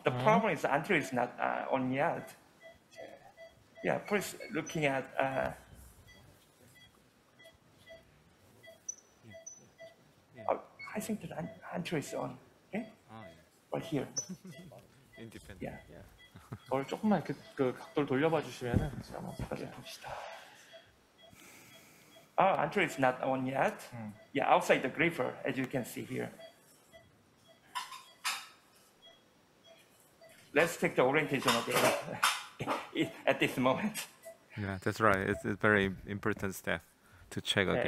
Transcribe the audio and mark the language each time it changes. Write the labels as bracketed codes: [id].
[en] The problem is anterior is not on yet. Yeah. Please looking at. I think the anterior is on, right here. Independent. Yeah. [ko] 그걸 조금만 그 각도를 돌려봐 주시면은 제가 한번 봅시다. [en] Oh, anterior is not on yet. Yeah, outside the gripper, as you can see here. Let's take the orientation again at this moment. Yeah, that's right. It's a very important step to check again.